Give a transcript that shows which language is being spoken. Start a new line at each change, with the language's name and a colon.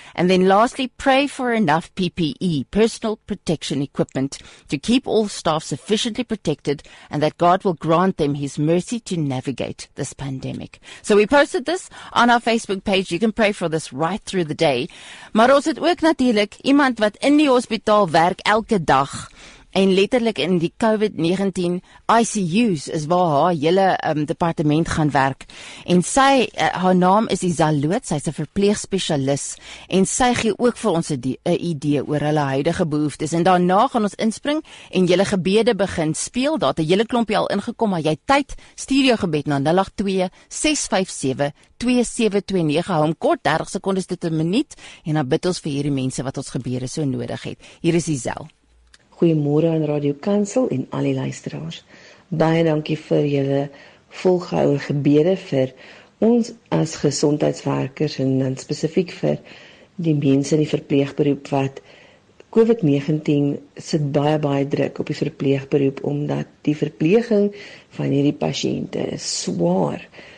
English: And then lastly, pray for enough PPE, personal protection equipment, to keep all staff sufficiently protected and that God will grant them His mercy to navigate this pandemic. So we posted this on our Facebook page. You can pray for this right through the day.
Afrikaans: Maar ons het ook natuurlik iemand wat in die hospitaal werk elke dag. En letterlik in die COVID-19 ICUs is waar haar hele departement gaan werk. En sy, haar naam is Izel Loot, sy is 'n verpleegspesialis. En sy gee ook vir ons 'n idee oor hulle huidige behoeftes. En daarna gaan ons inspring en julle gebede begin speel. Daar het 'n hele klompie al ingekom, maar jy tyd, stuur jou gebed na 082-657-2729. Hou hom kort, 30 sekondes tot 'n minuut. En dan bid ons vir hierdie mense wat ons gebede so nodig het. Hier is Izel. Goeiemôre aan Radio Kansel en al die luisteraars. Baie dankie vir julle volgehoue gebede vir ons as gesondheidswerkers en dan spesifiek vir die mense in die verpleegberoep wat COVID-19 sit baie druk op die verpleegberoep omdat die verpleging van hierdie pasiënte is swaar.